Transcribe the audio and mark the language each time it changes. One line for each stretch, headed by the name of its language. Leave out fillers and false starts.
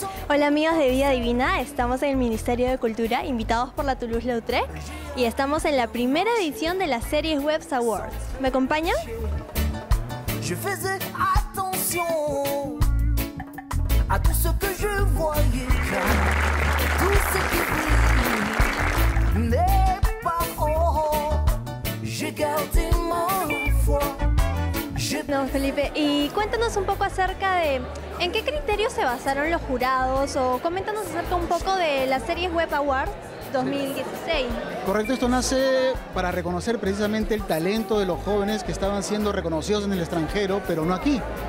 Spanish: Hola amigos de Vida Divina, estamos en el Ministerio de Cultura, invitados por la Toulouse-Lautrec, y estamos en la primera edición de la serie Web Awards. ¿Me acompañan?
French: Je faisais attention à tout ce que je voyais, tout ce qui n'est pas oh, j'ai gardé ma foi.
Spanish: No, Felipe, y cuéntanos un poco acerca de en qué criterios se basaron los jurados o coméntanos acerca un poco de la serie Web Awards 2016. Correcto, esto nace para reconocer precisamente el talento de los jóvenes que estaban siendo reconocidos en el extranjero, pero no aquí.